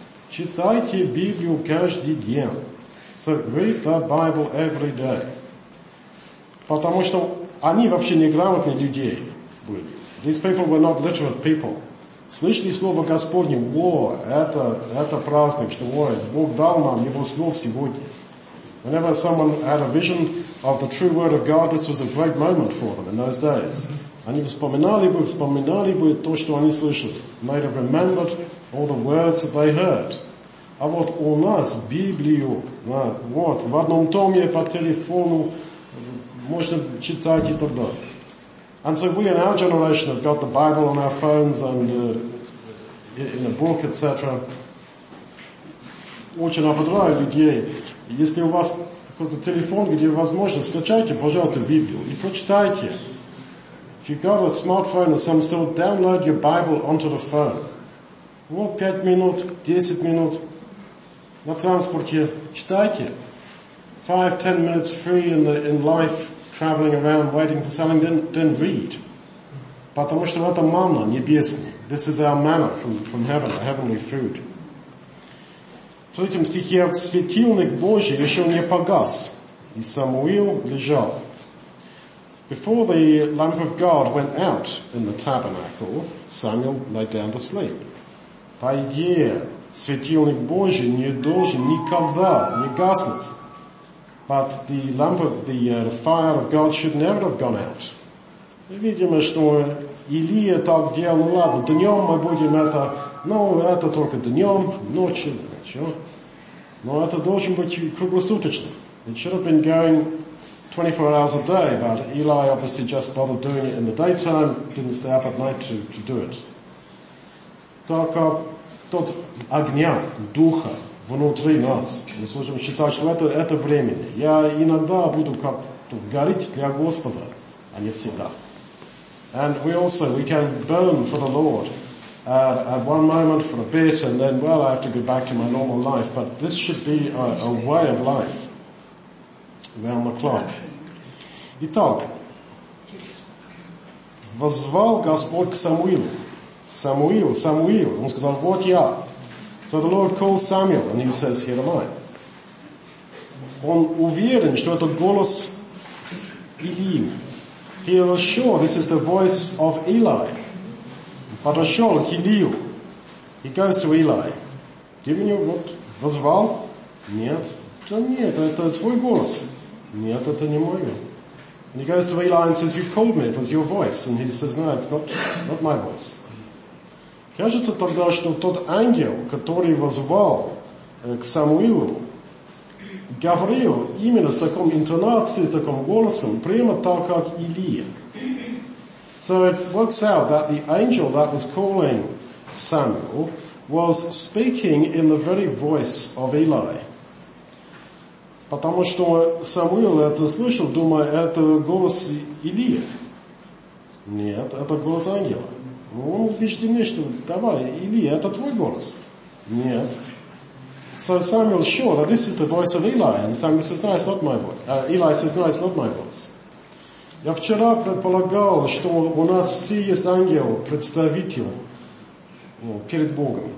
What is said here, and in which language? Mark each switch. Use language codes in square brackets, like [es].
[ru] Читайте Библию каждый день. [en] So read the Bible every day. [ru] Потому что они вообще неграмотные людей были. [en] These people were not literate people. [ru] Слышали слово Господне, о, это праздник, что о, Бог дал нам Его слово сегодня. [en] Whenever someone had a vision of the true word of God, this was a great moment for them in those days. [ru] Они вспоминали бы то, что они слышали. [en] Might have remembered all the words that they heard. [ru] А вот у нас Библию, да, вот, в одном томе по телефону можно читать и так далее. [en] And so we in our generation have got the Bible on our phones and in a book, etc. [ru] Очень ободряю людей. Если у вас какой-то телефон, где возможно, скачайте, пожалуйста, Библию и прочитайте. [en] If you've got a smartphone or some still, download your Bible onto the phone. [ru] Вот 5 минут, 10 минут на транспорте, читайте. [en] 5-10 minutes free in life, traveling around, waiting for something, then read. [ru] Потому что это манна небесная. [en] This is our manna from heaven, our heavenly food. [ru] третьем стихе светильник Божий еще не погас, и Самуил лежал. [en] Before the lamp of God went out in the tabernacle, Samuel lay down to sleep. [ru] По идее, светильник Божий не должен никогда не гаснуть. [en] But the lamp of the fire of God should never have gone out. [ru] Видимо, что Илия так делал, ну ладно, днем мы будем это, ну это только днем, ночью, ничего. Но это должен быть круглосуточно. [en] It should have been going 24 hours a day, but Eli obviously just bothered doing it in the daytime, didn't stay up at night to do it. [ru] Так, тот огня, духа внутри нас, мы сможем считать, что это временно. Я иногда буду как-то гореть для Господа, а не всегда. [en] And we can burn for the Lord at one moment for a bit, and then, well, I have to go back to my normal life, but this should be a way of life. Around the clock. [ru] Итак, воззвал Господь к Самуилу. Самуил, Самуил. Он сказал, вот я. [en] So the Lord calls Samuel, and he says, here am I. [ru] Он уверен, что это голос Илии. [en] He was sure this is the voice of Eli. [ru] Подошел к Илию. [en] He goes to Eli. Given you what? [ru] Воззвал? Нет. Да нет, это твой голос. Нет, это не мой. [en] And he goes to Eli and says, you called me, it was your voice. And he says, no, it's not my voice. [ru] Кажется тогда, что тот ангел, который воззвал к Самуилу, говорил именно с таком интонацией, с таком голосом, прямо так, как Илия. [en] So it works out that the angel that was calling Samuel was speaking in the very voice of Eli. [ru] Потому что Самуил это слышал, думая, это голос Илии. Нет, это голос ангела. Он убеждены, что давай, Илия, это твой голос. Нет. [en] So Samuel is sure that this is the voice of Eli. And Samuel says, no, it's not my voice. Eli says, no, it's not my voice. [ru] Я вчера предполагал, что у нас все есть ангел, представитель перед Богом.